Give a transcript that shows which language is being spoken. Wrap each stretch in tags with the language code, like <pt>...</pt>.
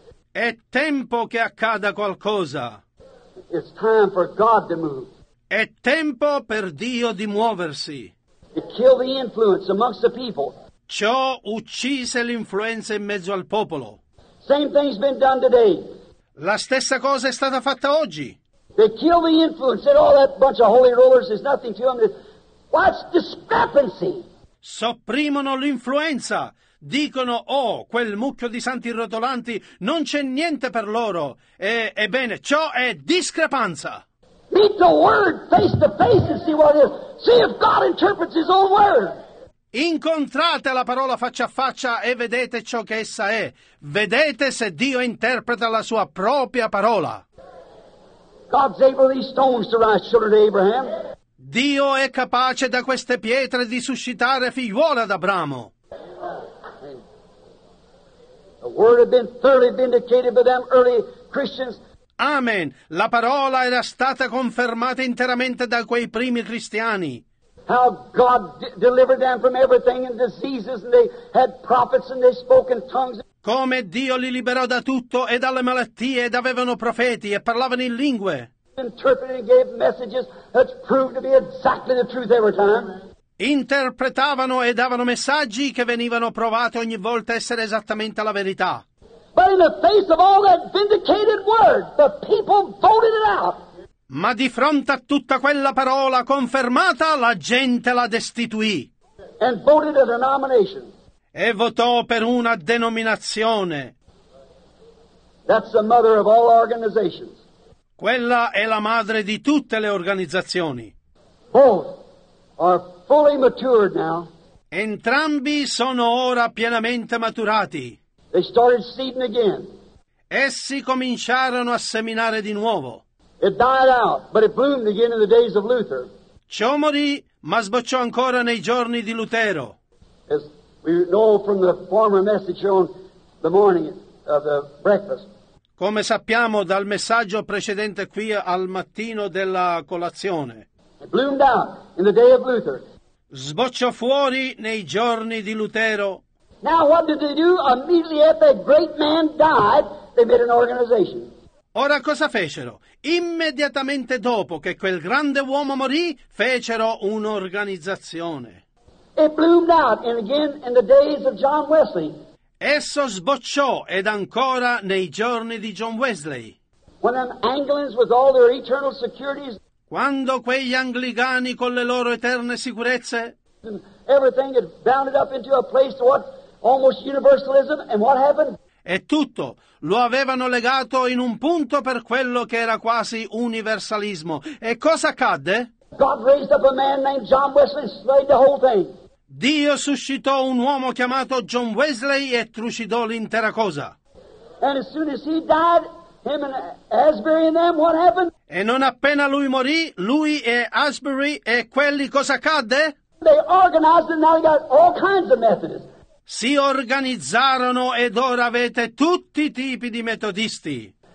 <it>È tempo che accada qualcosa.</it> <en>It's time for God to move.</en> <it>È tempo per Dio di muoversi.</it> <en>To kill the influence amongst the people.</en> <it>Ciò uccise l'influenza in mezzo al popolo.</it> <en>Same thing's been done today.</en> <it>La stessa cosa è stata fatta oggi.</it> <en>They kill the influence. Said, all that bunch of holy rollers is nothing to them. What's discrepancy?</en> <it>Sopprimono l'influenza. Dicono, oh, quel mucchio di santi rotolanti, non c'è niente per loro. Ebbene, ciò è discrepanza.</it> <en>Meet the word face to face and see what it is. See if God interprets his own word.</en> <it>Incontrate la parola faccia a faccia e vedete ciò che essa è. Vedete se Dio interpreta la sua propria parola.</it> <en>God's able these stones to rise children of Abraham.</en> <it>Dio è capace da queste pietre di suscitare figliuola ad Abramo.</it> <en>The word had been thoroughly vindicated by them early Christians. Amen.</en> <it>La parola era stata confermata interamente da quei primi cristiani.</it> <en>How God delivered them from everything and diseases, and they had prophets and they spoke in tongues.</en> <it>Come Dio li liberò da tutto e dalle malattie ed avevano profeti e parlavano in lingue.</it> <en>Interpreting gave messages that proved to be exactly the truth every time.</en> <it>Interpretavano e davano messaggi che venivano provati ogni volta essere esattamente la verità.</it> <en>But in the face of all that vindicated word, the people voted it out.</en> <it>Ma di fronte a tutta quella parola confermata, la gente la destituì.</it> <en>And voted a denomination.</en> <it>E votò per una denominazione.</it> <en>That's the mother of all organizations.</en> <it>Quella è la madre di tutte le organizzazioni.</it> <en>Both are fully matured now.</en> <it>Entrambi sono ora pienamente maturati.</it> <en>They started seeding again.</en> <it>Essi cominciarono a seminare di nuovo.</it> <en>It died out, but it bloomed again in the days of Luther.</en> <it>Ciò morì, ma sbocciò ancora nei giorni di Lutero.</it> <en>As we know from the former message on the morning of the breakfast.</en> <it>Come sappiamo dal messaggio precedente qui al mattino della colazione.</it> <en>It bloomed out in the day of Luther.</en> <it>Sbocciò fuori nei giorni di Lutero.</it> <en>Now what did they do? Immediately after that great man died, they made an organization.</en> <it>Ora cosa fecero? Immediatamente dopo che quel grande uomo morì, fecero un'organizzazione.</it> <en>It bloomed out, and again in the days of John Wesley.</en> <it>Esso sbocciò ed ancora nei giorni di John Wesley.</it> <en>When them Anglicans with all their eternal securities.</en> <it>Quando quegli anglicani con le loro eterne sicurezze.</it> <en>Everything had bounded up into a place to what almost universalism, and what happened?</en> <it>E tutto lo avevano legato in un punto per quello che era quasi universalismo. E cosa accadde?</it> <en>God raised up a man named John Wesley and slayed the whole thing.</en> <it>Dio suscitò un uomo chiamato John Wesley e trucidò l'intera cosa.</it> <en>And as soon as he died, him and Asbury and them, what happened?</en> <it>E non appena lui morì, lui e Asbury e quelli cosa accadde?</it> <en>They organized and now they got all kinds of Methodists.</en> <it>Si organizzarono ed ora avete tutti i tipi di metodisti.</it>